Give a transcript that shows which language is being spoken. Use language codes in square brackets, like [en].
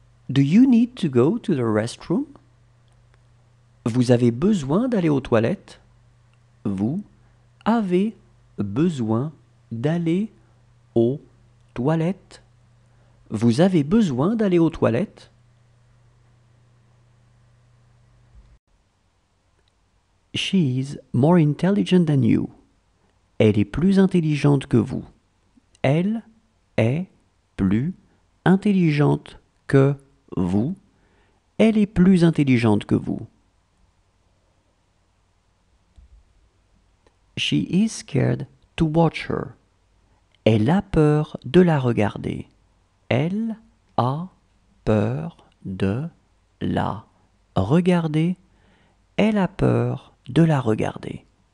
[en] Do you need to go to the restroom? [fr] Vous avez besoin d'aller aux toilettes? Vous avez besoin d'aller aux toilettes? Vous avez besoin d'aller aux toilettes? [en] She is more intelligent than you. [fr] Elle est plus intelligente que vous. Elle est plus intelligente que vous. Elle est plus intelligente que vous. [en] She is scared to watch her. [fr] Elle a peur de la regarder. Elle a peur de la regarder. Elle a peur de la regarder.